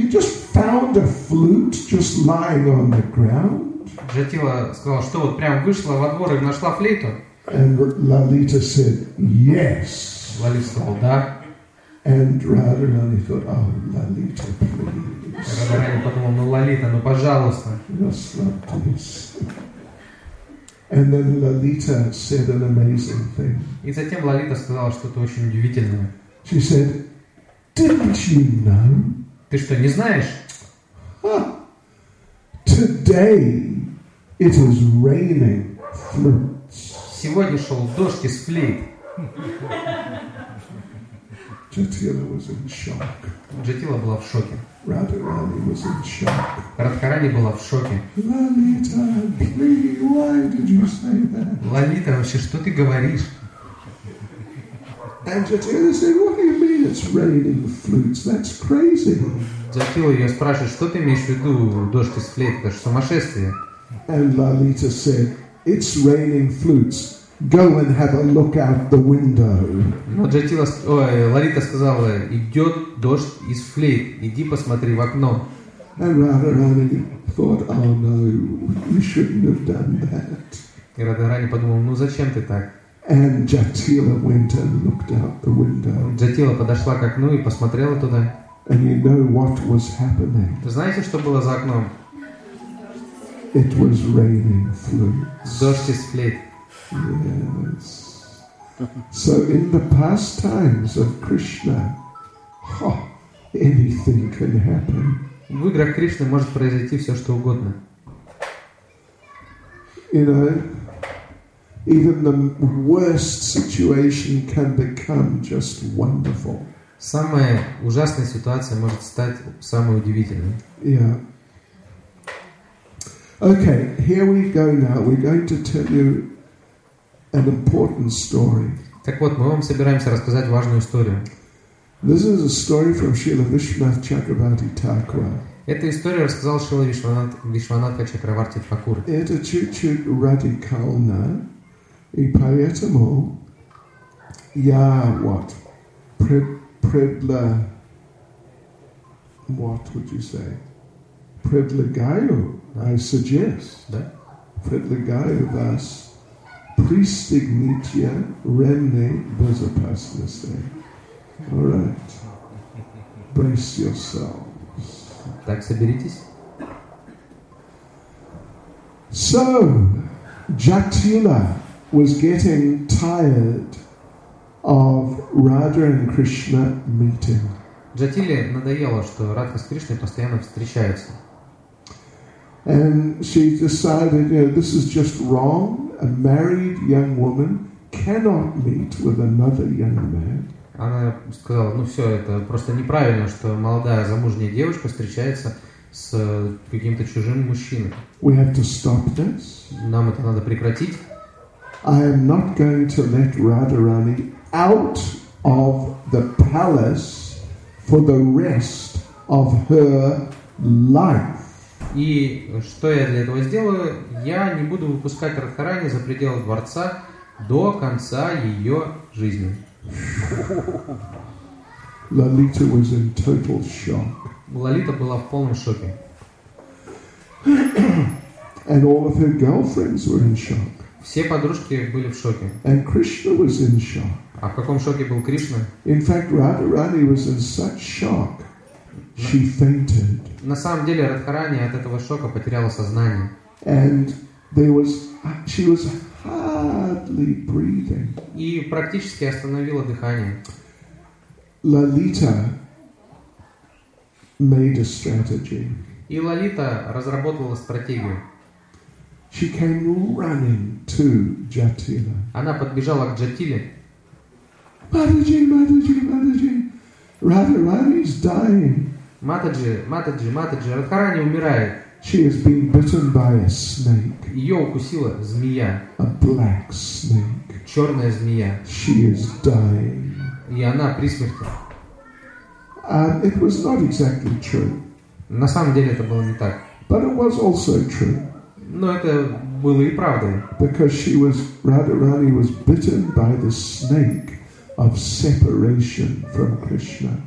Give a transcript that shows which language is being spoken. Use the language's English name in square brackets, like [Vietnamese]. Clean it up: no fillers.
[English] You just found a flute just lying on the ground?" [Russian] Jatila сказала, что вот прям вышла во двор и нашла флейту. [English] And Lalita said, "Yes." [Russian] Лалита сказала, да. [English] And Radharani thought, "Oh, Lalita, please." [Russian] Радхарани подумал, ну Лалита, ну пожалуйста. [English] Just like this. And then Lalita said an amazing thing. [Russian] И затем Лалита сказала что-то очень удивительное. [English] She said, "Didn't you know?" [Russian] Ты что, не знаешь? [English] Today it is raining flutes. [Russian] Сегодня шел дождь из флейт. [English] Jatila was in shock. [Russian] Jatila была в шоке. [English] Radharani was in shock. [Russian] Радхарани была в шоке. [English] Lalita, please, why did you say that? [Russian] Лалита, вообще, что ты говоришь? [English] And Jatila said, "What do you mean it's raining flutes? That's crazy." [Russian] Jatila ее спрашивает, что ты имеешь в виду, дождь из флейт, это же сумасшествие. [English] And Lalita said, "It's raining flutes. Go and have a look out the window." [Russian] Но Джатила, Лалита сказала, идет дождь из флейт, иди посмотри в окно. [English] And Radharani thought, "Oh no, you shouldn't have done that." [Russian] И Радхарани подумал, ну зачем ты так? [English] And Jatila went and looked out the window. [Russian] Джатила подошла к окну и посмотрела туда. [English] And you know what was happening? [Russian] Ты знаете, что было за окном? [English] It was raining flutes. [Russian] Дождь из флейт. [English] Yes. So in the pastimes of Krishna, anything can happen. [Russian] В играх Кришны может произойти все что угодно. [English] You know, even the worst situation can become just wonderful. [Russian] Самая ужасная ситуация может стать самой удивительной. [English] Yeah. Okay. Here we go now. We're going to tell you an important story. [Russian] Так вот, мы вам собираемся рассказать важную историю. [English] This is a story from Srila Vishwanatha Chakravarti Thakur. [Russian] Эту историю рассказал Шрила Вишванатха Чакраварти Тхакур. Это чуть-чуть радикально, и поэтому я предлагаю вас Пристегните ремни безопасности. [English] All right. Brace yourselves. [Russian] Так, соберитесь. [English] So, Jatila was getting tired of Radha and Krishna meeting. [Russian] Jatila надоело, что Радха с Кришной постоянно встречаются. [English] And she decided, this is just wrong. A married young woman cannot meet with another young man. [Russian] Она сказала, ну все, это просто неправильно, что молодая замужняя девушка встречается с каким-то чужим мужчиной. [English] We have to stop this. [Russian] Нам это надо прекратить. [English] I am not going to let Radharani out of the palace for the rest of her life. [Russian] И что я для этого сделаю? Я не буду выпускать Радхарани за пределы дворца до конца ее жизни. [English] Lalita was in total shock. [Russian] Лалита была в полном шоке. [English] And all of her girlfriends were in shock. [Russian] Все подружки были в шоке. [English] And Krishna was in shock. [Russian] А в каком шоке был Кришна? [English] In fact, Radharani was in such shock. She fainted. [Russian] На самом деле Радхарани от этого шока потеряла сознание. [English] And there was, she was hardly breathing. [Russian] И практически остановила дыхание. [English] Lalita made a strategy. [Russian] И Лалита разработала стратегию. [English] She came running to Jatila. [Russian] Она подбежала к Джатиле. [English] Матаджи, Матаджи, Матаджи. Радхарани is dying. [Russian] Матаджи, Матаджи, Матаджи. Радхарани умирает. [English] She has been bitten by a snake. [Russian] Ее укусила змея. [English] A black snake. [Russian] Черная змея. [English] She is dying. [Russian] И она при смерти. [English] And it was not exactly true. [Russian] На самом деле это было не так. [English] But it was also true. [Russian] Но это было и правдой. [English] Because she was, Radharani was bitten by the snake of separation from Krishna.